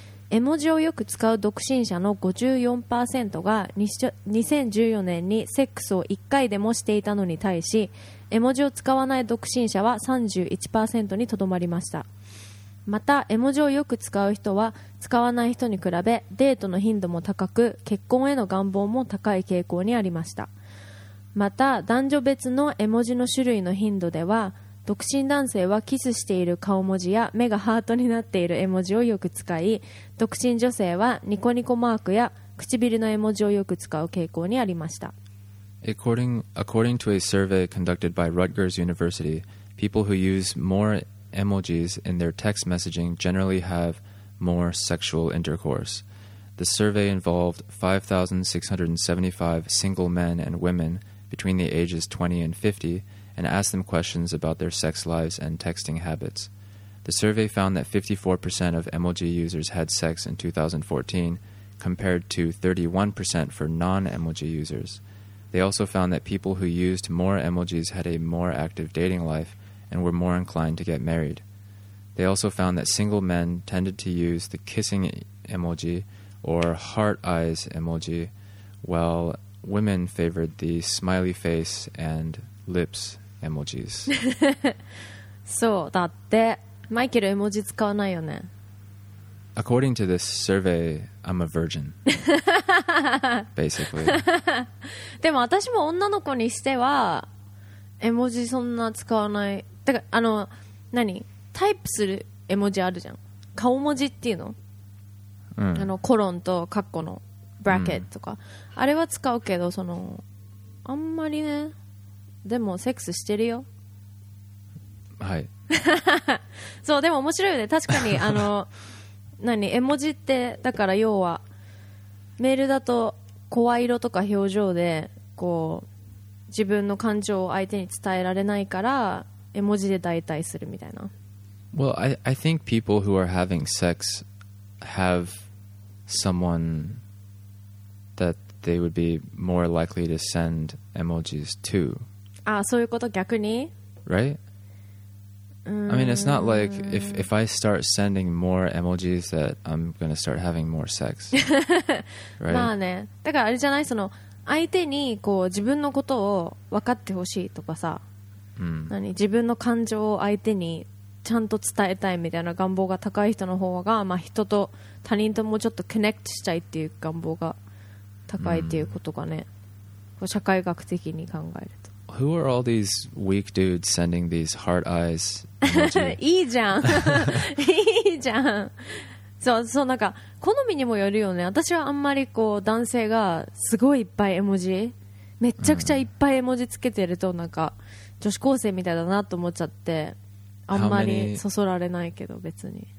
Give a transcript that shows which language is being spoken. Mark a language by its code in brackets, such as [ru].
[ja] 絵文字をよく使う独身者の 54% が2014年にセックスを1回でもしていたのに対し絵文字を使わない独身者は 31% にとどまりましたまた絵文字をよく使う人は使わない人に比べデートの頻度も高く結婚への願望も高い傾向にありましたまた男女別の絵文字の種類の頻度では独身男性はキスしている顔文字や目がハートになっている絵文字をよく使い独身女性はニコニコマークや唇の絵文字をよく使う傾向にありました [en] According to a survey conducted by Rutgers University people who use moreemojis in their text messaging generally have more sexual intercourse. The survey involved 5,675 single men and women between the ages 20 and 50 and asked them questions about their sex lives and texting habits. The survey found that 54% of emoji users had sex in 2014 compared to 31% for non-emoji users. They also found that people who used more emojis had a more active dating life,and were more inclined to get married. They also found that single men tended to use the kissing emoji or heart eyes emoji, while women favored the smiley face and lips emojis. [ja] そうだって、マイケル絵文字使わないよね。 [en] According to this survey, I'm a virgin. Basically. [ja] でも私も女の子にしては絵文字そんな使わない。だからあの何タイプする絵文字あるじゃん。顔文字っていうの。うん、あのコロンとカッコのブラケットとか、うん、あれは使うけどそのあんまりね。でもセックスしてるよ。はい。そうでも面白いよね。確かにあの。何絵文字ってだから要はメールだと声色とか表情でこう自分の感情を相手に伝えられないから絵文字で代替するみたいな。 [en] Well, I think people who are having sex have someone that they would be more likely to send emojis to. [ja] あ、そういうこと逆に? [en] Right? I mean, it's not like if I start sending more emojis that I'm going to start having more sex. Right? [ja] まあね。だからあれじゃない? その相手にこう自分のことを分かってほしいとかさ、うん、何自分の感情を相手にちゃんと伝えたいみたいな願望が高い人の方が、まあ、人と他人ともちょっとコネクトしたいっていう願望が高いっていうことがね、うん、こう社会学的に考える。 [en] Who are all these weak dudes sending these heart eyes? [ja] いいじゃん。いいじゃん。そう、そう、なんか好みにもよるよね。私はあんまりこう男性がすごいいっぱい絵文字、めちゃくちゃいっぱい絵文字つけてると、なんか女子高生みたいだなと思っちゃって、あんまりそそられないけど別に。